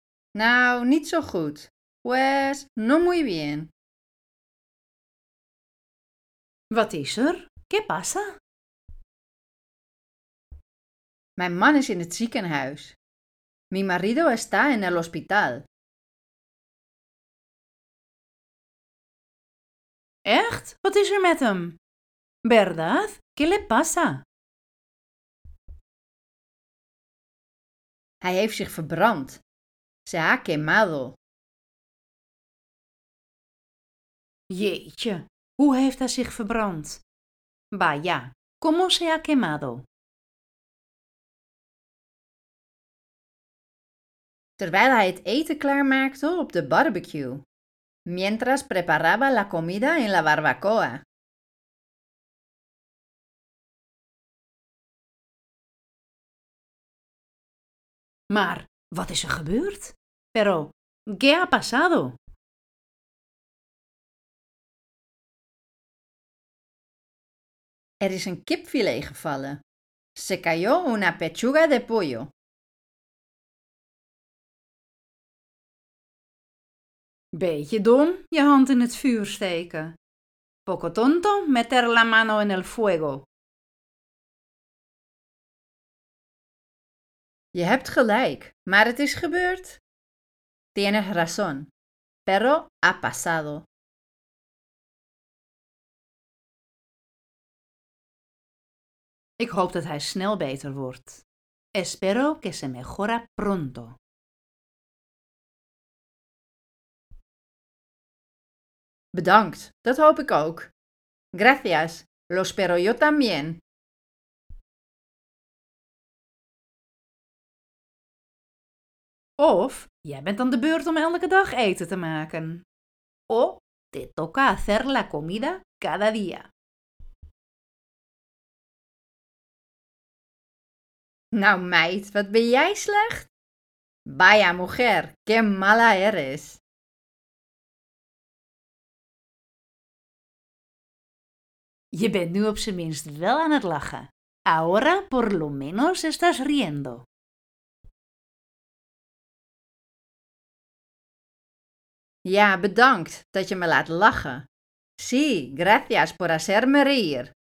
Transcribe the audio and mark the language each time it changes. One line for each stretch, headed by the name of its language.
Dutch: Nou, niet zo goed.
Spanish: Pues, no muy bien.
Dutch: Wat is er?
Spanish: ¿Qué pasa?
Dutch: Mijn man is in het ziekenhuis.
Spanish: Mi marido está en el hospital.
Dutch: Echt? Wat is er met hem?
Spanish: ¿Verdad? ¿Qué le pasa?
Dutch: Hij heeft zich verbrand.
Spanish: Se ha quemado.
Dutch: Jeetje, hoe heeft hij zich verbrand?
Spanish: Vaya, ¿cómo se ha quemado?
Dutch: Terwijl hij het eten klaarmaakte op de barbecue.
Spanish: Mientras preparaba la comida en la barbacoa.
Dutch: Mm. Maar wat is er gebeurd?
Spanish: Pero, ¿qué ha pasado?
Dutch: Er is een kipfilet gevallen.
Spanish: Se cayó una pechuga de pollo.
Dutch: Beetje dom, je hand in het vuur steken.
Spanish: Poco tonto meter la mano en el fuego.
Dutch: Je hebt gelijk, maar het is gebeurd.
Spanish: Tienes razón, pero ha pasado.
Dutch: Ik hoop dat hij snel beter wordt.
Spanish: Espero que se mejora pronto.
Dutch: Bedankt, dat hoop ik ook.
Spanish: Gracias, lo espero yo también.
Dutch: Of, jij bent aan de beurt om elke dag eten te maken.
Spanish: O, te toca hacer la comida cada día.
Dutch: Nou meid, wat ben jij slecht?
Spanish: Vaya mujer, qué mala eres.
Dutch: Je bent nu op zijn minst wel aan het lachen.
Spanish: Ahora por lo menos estás riendo.
Dutch: Ja, bedankt dat je me laat lachen.
Spanish: Sí, gracias por hacerme reír.